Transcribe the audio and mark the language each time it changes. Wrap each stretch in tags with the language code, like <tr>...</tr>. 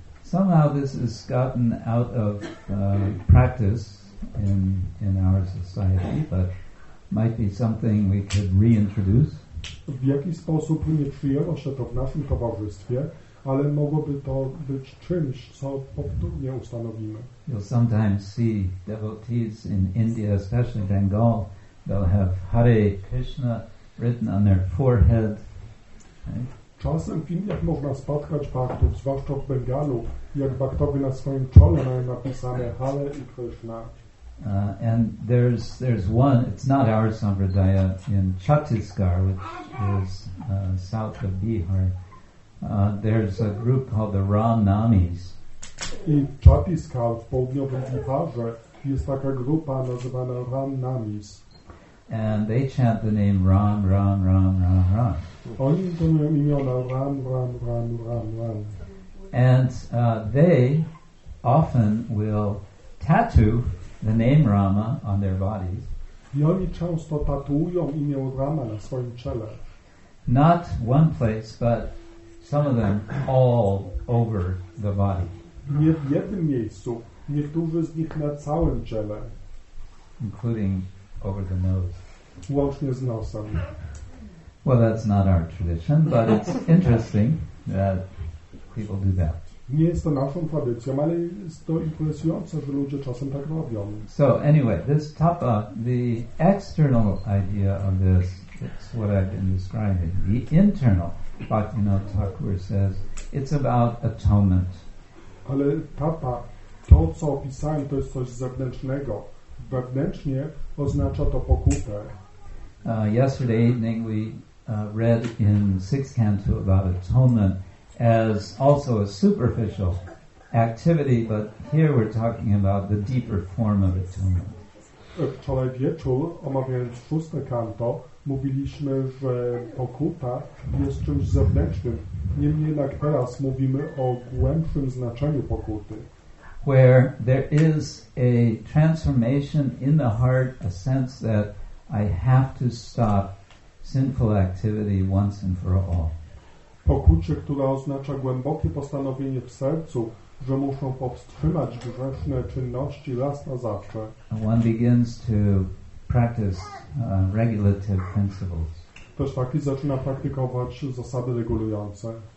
<en>Somehow this has gotten out of practice in our society, but might be something we could reintroduce.</en> <pl>W jaki sposób nie przyjęło się to w naszym towarzystwie, ale mogłoby to być czymś, co powtórnie ustanowimy.</pl> <en>You'll sometimes see devotees in India, especially Bengal, they'll have Hare Krishna written on their forehead. Right?</en> <pl>Czasem w Indiach można spotkać baktów, zwłaszcza w Bengalu, jak baktowie na swoim czole mają napisane Hare i Krishna.</pl> <en>And there's one, it's not our Sampradaya, in Chhattisgarh, which is south of Bihar. There's a group called the Ram Namis.</en> <pl>In Chhattisgarh, w południowym Biharze, jest taka grupa nazywana Ram Namis.</pl> <en>And they chant the name Ram, Ram, Ram, Ram, Ram.</en> <pl>Oni intonują imiona Ram, Ram, Ram, Ram, Ram.</pl> <en>And they often will tattoo the name Rama on their bodies.</en> <pl>I oni często tatuują imię Rama na swoim czele.</pl> <en>Not one place, but some of them all over the body.</en> <pl>Nie w jednym miejscu, niektórzy z nich na całym czele.</pl> <en>Including over the nose.</en> <pl>Łącznie z nosem.</pl> <en>Well, that's not our tradition, but it's interesting that people do that.</en> <pl>Nie jest to naszą tradycją, ale jest to interesujące, że ludzie czasem tak robią.</pl> <en>So anyway, this tapa, the external idea of this, it's what I've been describing. The internal, Bhaktivinoda Thakur says, it's about atonement.</en> <pl>Ale tapa, to co opisałem, to jest coś zewnętrznego. Wewnętrznie oznacza to pokutę.</pl> <en>Yesterday evening we read in sixth canto about atonement as also a superficial activity, but here we're talking about the deeper form of atonement.</en> <pl>Wczoraj wieczór, omawiając szóste kanto, mówiliśmy, że pokuta jest czymś zewnętrznym. Niemniej jednak teraz mówimy o głębszym znaczeniu pokuty.</pl> <en>Where there is a transformation in the heart, a sense that I have to stop sinful activity once and for all.</en> <pl>Pokucie, która oznacza głębokie postanowienie w sercu, że muszą powstrzymać grzeszne czynności raz na zawsze. And one begins to practice regulative principles. Ktoś taki zaczyna praktykować zasady regulujące.</pl>